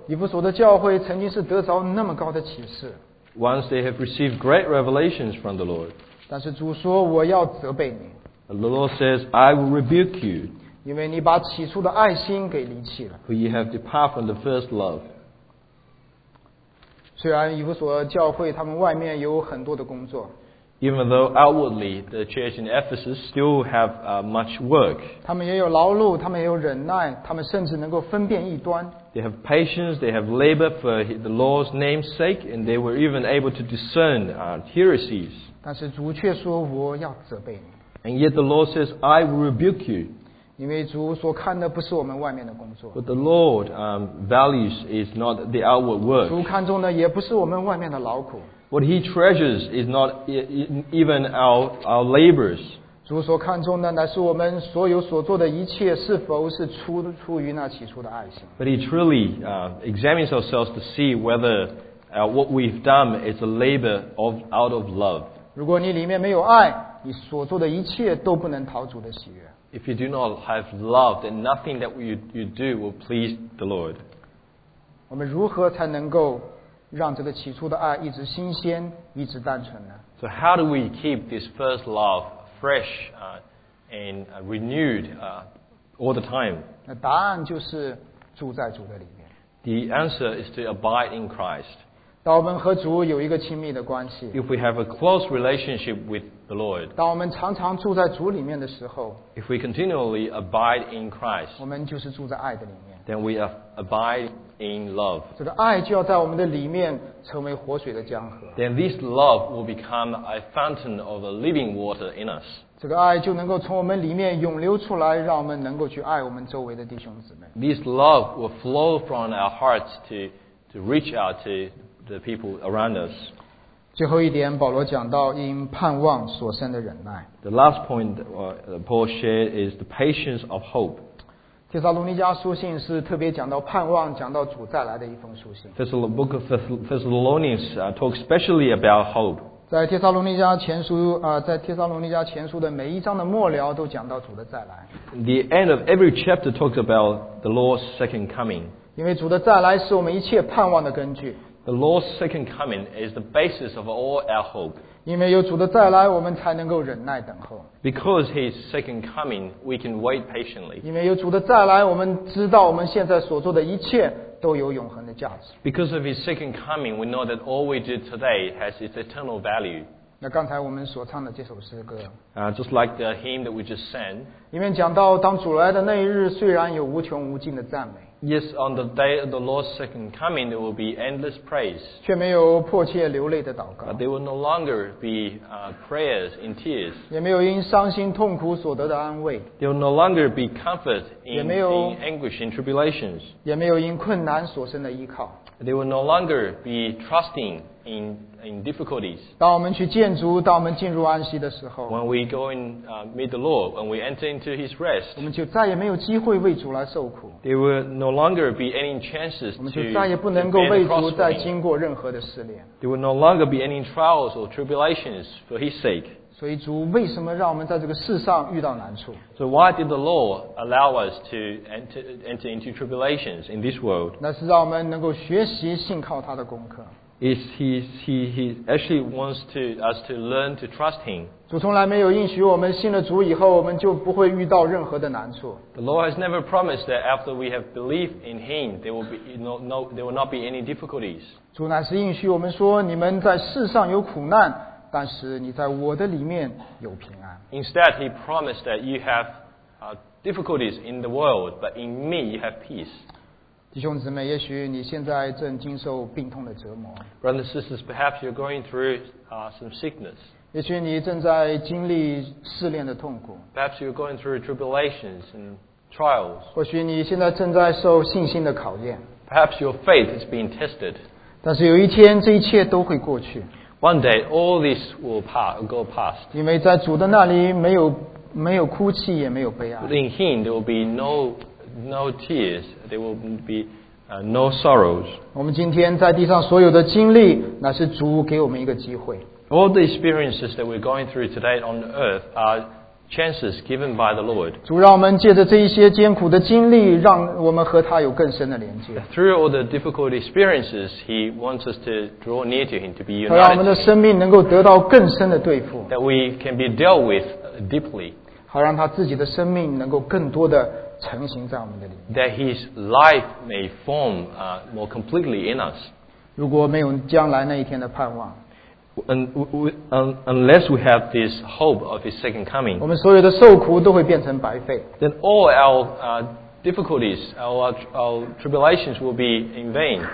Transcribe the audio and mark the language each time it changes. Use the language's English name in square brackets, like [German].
[Chinese] 以弗所的教会曾经是得着那么高的启示。 [English] Once they have received great revelations from the Lord. [Chinese] 但是主说我要责备你。 [English] The Lord says, I will rebuke you. [Chinese] 因为你把起初的爱心给离弃了。 [English] For you have departed from the first love. [Chinese] 虽然以弗所教会他们外面有很多的工作 [English] ，Even though outwardly the church in Ephesus still have much work， [Chinese] 他们也有劳碌，他们也有忍耐，他们甚至能够分辨异端。 [English] They have patience, they have labor for the Lord's name's sake, and they were even able to discern heresies. [Chinese] 但是主却说我要责备你。 [English] And yet the Lord says, I will rebuke you. [Chinese] 因为主所看的不是我们外面的工作。 [English] But the Lord values is not the outward work. [Chinese] 主看重的也不是我们外面的劳苦。 [English] What He treasures is not even our labors. [Chinese] 主所看重的乃是我们所有所做的一切是否是出于那起初的爱心。 [English] But He truly examines ourselves to see whether what we've done is a labor out of love. [Chinese] 如果你里面没有爱，你所做的一切都不能讨主的喜悦。 [English] If you do not have love, then nothing that you do will please the Lord. [Chinese] 我们如何才能够让这个起初的爱一直新鲜，一直单纯呢？ [English] So how do we keep this first love fresh and renewed all the time? [Chinese] 那答案就是住在主的里面。 [English] The answer is to abide in Christ. [Chinese] 当我们和主有一个亲密的关系。 [English] If we have a close relationship with the Lord. [Chinese] 当我们常常住在主里面的时候， [English] if we continually abide in Christ, [Chinese] 我们就是住在爱的里面。 [English] Then we abide in love. [Chinese] 这个爱就要在我们的里面成为活水的江河。 [English] Then this love will become a fountain of the living water in us. [Chinese] 这个爱就能够从我们里面涌流出来，让我们能够去爱我们周围的弟兄姊妹。 [English] This love will flow from our hearts to reach out to the people around us. [Chinese] 最后一点，保罗讲到因盼望所生的忍耐。 [English] The last point Paul shared is the patience of hope. [Chinese] 帖撒罗尼迦书信是特别讲到盼望，讲到主再来的一封书信。 [English] Book of Thessalonians talks especially about hope. [Chinese] 在帖撒罗尼迦前书在帖撒罗尼迦前书的每一章的末了都讲到主的再来。 [English] The end of every chapter talks about the Lord's second coming. [Chinese] 因为主的再来是我们一切盼望的根据。 [English] The Lord's second coming is the basis of all our hope. [Chinese] 因为有主的再来，我们才能够忍耐等候。 [English] Because His second coming, we can wait patiently. [Chinese] 因为有主的再来，我们知道我们现在所做的一切都有永恒的价值。 [English] Because of His second coming, we know that all we do today has its eternal value. [Chinese] 那刚才我们所唱的这首诗歌。 [English] Just like the hymn that we just sang. [Chinese] 里面讲到，当主来的那一日，虽然有无穷无尽的赞美。 [English] Yes, on the day of the Lord's second coming, there will be endless praise. [Chinese] 却没有迫切流泪的祷告。 [English] But there will no longer be prayers in tears. [Chinese] 也没有因伤心痛苦所得的安慰。 [English] There will no longer be comfort in anguish and tribulations. [Chinese] 也没有因困难所生的依靠。 [English] There will no longer be trusting in difficulties. [Chinese] 当我们去见主，当我们进入安息的时候， [English] when we go and meet the Lord, when we enter into His rest, [Chinese] 我们就再也没有机会为主来受苦。 [English] There will no longer be any chances to [Chinese] 我们就再也不能够为主再经过任何的试炼。 [English] There will no longer be any trials or tribulations for His sake. [Chinese] 所以主为什么让我们在这个世上遇到难处？ [English] So why did the Lord allow us to enter into tribulations in this world? [Chinese] 那是让我们能够学习信靠他的功课。 [English] Is he actually wants us to learn to trust him. [Chinese] 主从来没有应许我们信了主以后我们就不会遇到任何的难处。 [English] The Lord has never promised that after we have believed in him, there will not be any difficulties. [Chinese] 主乃是应许我们说你们在世上有苦难但是你在我的里面有平安。 [English] Instead, he promised that you have difficulties in the world, but in me you have peace. [Chinese] 弟兄姊妹，也许你现在正经受病痛的折磨。 [English] Brothers and sisters, perhaps you're going through some sickness. [Chinese] 也许你正在经历试炼的痛苦。 [English] Perhaps you're going through tribulations and trials. [Chinese] 或许你现在正在受信心的考验。 [English] Perhaps your faith is being tested. [Chinese] 但是有一天，这一切都会过去。 [English] One day, all this will go past. [Chinese] 因为在主的那里没有哭泣，也没有悲哀。 [English] In Him, there will be no tears, there will be no sorrows. [Chinese] 我们今天在地上所有的经历，那是主给我们一个机会。 [English] All the experiences that we're going through today on earth are chances given by the Lord. [Chinese] 主让我们借着这一些艰苦的经历，让我们和他有更深的连接。 [English] Through all the difficult experiences, He wants us to draw near to Him, to be united. [Chinese] 他让我们的生命能够得到更深的对付。 [English] That we can be dealt with deeply. [Chinese] 好让他自己的生命能够更多的成型在我们的里面。 [English] That His life may form more completely in us. [Chinese] 如果没有将来那一天的盼望， [English] unless we have this hope of His second coming, [Chinese] 我们所有的受苦都会变成白费。 [English] Then all our difficulties, our tribulations will be in vain.